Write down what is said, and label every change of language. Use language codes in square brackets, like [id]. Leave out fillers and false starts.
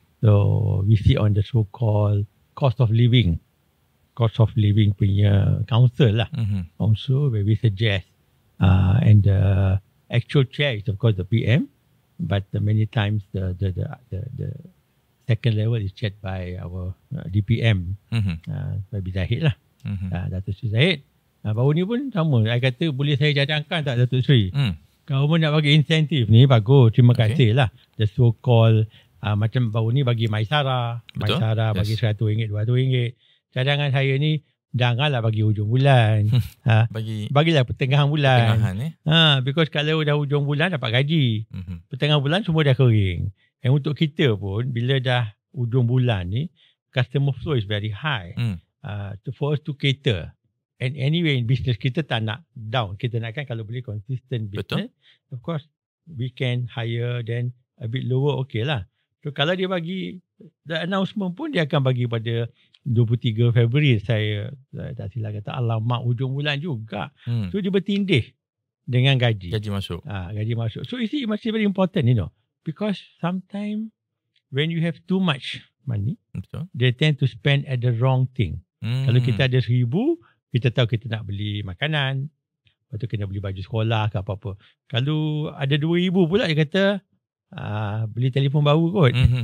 [en] So, we sit on the so-called cost of living punya council lah. Also, where we suggest and the actual chair is of course the PM, but many times the second level is chaired by our DPM, Faiz Zahid lah. [ms] Datuk Sri Zahid. Baru ni pun sama. Saya kata boleh saya cadangkan tak Datuk Sri? Government nak bagi insentif ni, bagus. Terima kasih lah. The so-called macam baru ni bagi Maisara bagi RM100, RM200. Cadangan saya ni, janganlah bagi hujung bulan. Bagilah pertengahan bulan. Because kalau dah hujung bulan, dapat gaji. Pertengahan bulan, semua dah kering. [en] And [ms] untuk kita pun, bila dah hujung bulan ni, [en] customer flow is very high. For us to cater. And anyway, in business, [ms] kita tak nak [en] down. [ms] Kita nak kan kalau boleh consistent business. Betul. [en] Of course, we can hire then a bit lower, okay lah. [ms] So, kalau dia bagi, the announcement pun dia akan bagi pada 23 Februari, saya tak silap kata, alamak, hujung bulan juga. So, dia bertindih dengan gaji. Gaji masuk. Gaji masuk. [en] So, you see, it must be very important, you know. Because sometimes, when you have too much money, they tend to spend at the wrong thing. [ms] Kalau kita ada RM1,000, kita tahu kita nak beli makanan, lepas tu kena beli baju sekolah ke apa-apa. Kalau ada RM2,000 pula, dia kata, beli telefon baru kot.